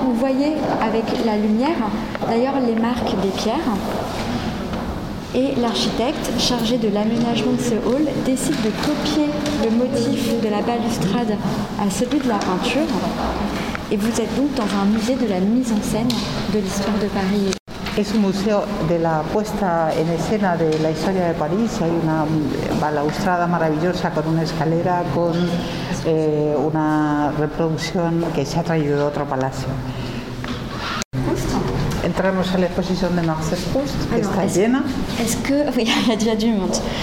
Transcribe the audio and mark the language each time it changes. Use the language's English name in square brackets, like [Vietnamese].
[French] Vous voyez avec la lumière d'ailleurs les marques des pierres. Et l'architecte chargé de l'aménagement de ce hall décide de copier le motif de la balustrade à celui de la peinture. Et vous êtes donc dans un musée de la mise en scène de l'histoire de Paris. [Spanish] Es un museo de la puesta en escena de la historia de París. Hay una balaustrada maravillosa con una escalera, con una reproducción que se ha traído de otro palacio. Entramos en la exposición de Marcel Proust, que [French] Alors, [Spanish] está llena. [French] Est-ce que, oui, il y a déjà du monde.